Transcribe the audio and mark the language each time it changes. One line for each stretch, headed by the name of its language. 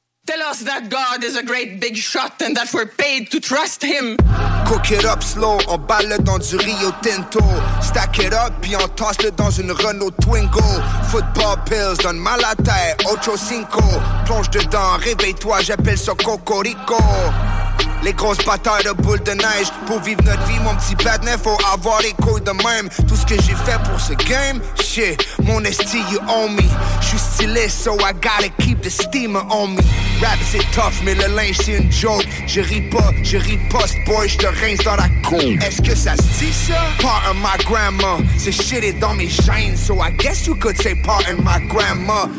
English: Tell us that God is a great big shot and that we're paid to trust him. Cook it up slow,
French: on balle dans du Rio Tinto.
English: Stack it up,
French: puis on toss le dans une Renault Twingo.
English: Football pills,
French: donne mal à terre,
Spanish: ocho cinco.
French: Plonge dedans, réveille-toi, j'appelle ça Cocorico. Les grosses batailles de boules de neige. Pour vivre notre vie, mon petit badnet, faut avoir les couilles de même. Tout ce que j'ai fait pour ce game, shit, mon esti,
English: you own me.
French: J'suis stylé,
English: so I gotta keep the steamer on me.
French: Rap, c'est tough, mais le linge, c'est une joke. Je ris pas, boy, j'te rince dans la cour. Est-ce que ça se dit ça?
English: Pardon my grandma,
French: ce shit est dans mes gènes.
English: So I guess you could say pardon my grandma.